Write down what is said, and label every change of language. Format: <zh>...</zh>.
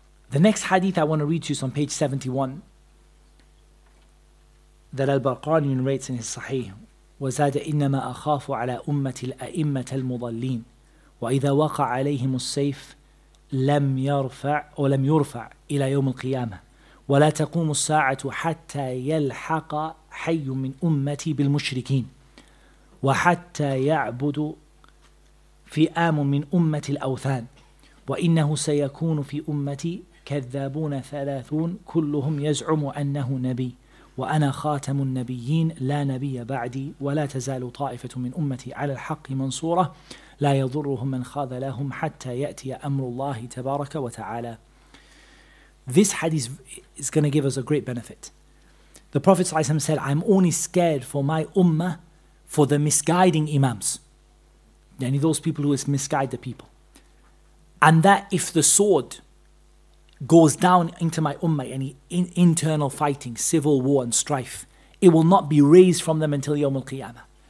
<en>The next hadith I want to read to you is on page 71 that Al-Barqani narrates in his Sahih.</en> <ar>وَزَادَ إِنَّمَا أَخَافُ عَلَى أُمَّةِ الْأَئِمَّةَ الْمُضَلِّينَ وَإِذَا وَقَعَ عَلَيْهِمُ السَّيْفُ لَمْ يَرْفَعْ وَلَمْ يُرْفَعْ إِلَى يَوْمِ الْقِيَامَةِ وَلَا تَقُومُ السَّاعَةُ حَتَّى يَلْحَقَ حَيٌّ مِنْ أُمَّتِي بِالْمُشْرِكِينَ وَحَتَّى يَعْبُدُ فِئَامٌ مِنْ أُمَّةِ الْأَوْثَانِ وَإِنَّهُ سَيَكُونُ فِي أُمَّتِي كَذَّابُونَ ثَلَاثُونَ كُلُّهُمْ يَزْعُمُ أَنَّهُ نَبِيٌّ وأنا خاتم النبيين لا نبي بعدي ولا تزال طائفة من أمتي على الحق منصورة لا يضرهم من خاذلهم حتى يأتي أمر الله تبارك وتعالى.</ar> <en>This hadith is going to give us a great benefit. The Prophet ﷺ said, I'm only scared for my ummah for the misguiding imams. Yani those people who misguide the people. And that if the sword goes down into my ummah, any internal fighting, civil war and strife, it will not be raised from them until Yawm al-Qiyamah.</en>